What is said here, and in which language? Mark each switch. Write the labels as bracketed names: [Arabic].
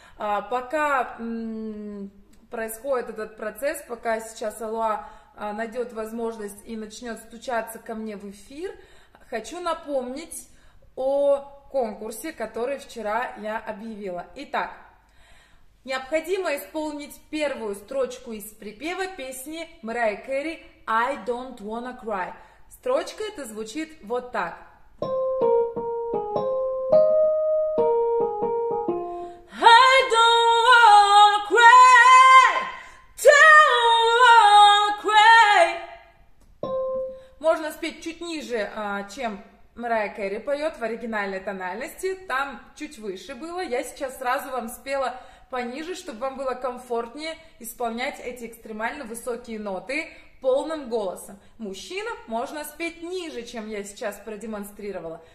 [Russian] Пока происходит этот процесс, пока сейчас Алуа найдет возможность и начнет стучаться ко мне в эфир, хочу напомнить о конкурсе, который вчера я объявила. Итак, необходимо исполнить первую строчку из припева песни Мэрайя Кэри «I don't wanna cry». Строчка эта звучит вот так. [English] I don't wanna cry, don't wanna cry. [Russian] Можно спеть чуть ниже, чем Мэрайя Кэри поет в оригинальной тональности. Там чуть выше было. Я сейчас сразу вам спела пониже, чтобы вам было комфортнее исполнять эти экстремально высокие ноты полным голосом. Мужчинам можно спеть ниже, чем я сейчас продемонстрировала.